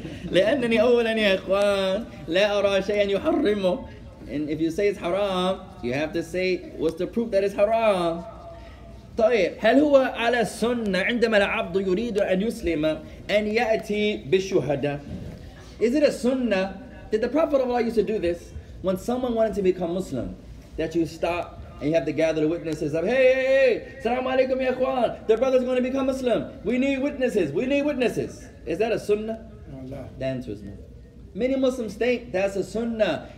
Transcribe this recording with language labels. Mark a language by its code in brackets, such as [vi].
[ar] لأنني أولا يا إخوان لا أرى شيئا يحرمه. [en] And if you say it's haram, you have to say, what's the proof that it's haram? [ar] طيب هل هو على السنة عندما العبد يريد أن يسلم أن يأتي بالشهداء? [en] Is it a sunnah? Did the Prophet of Allah used to do this when someone wanted to become Muslim? That you stop and you have to gather the witnesses up. Hey, hey, hey, salam alaikum ya ikhwan. The brother's going to become Muslim. We need witnesses. We need witnesses. Is that a sunnah? No. The answer is no. Many Muslims think that's a sunnah.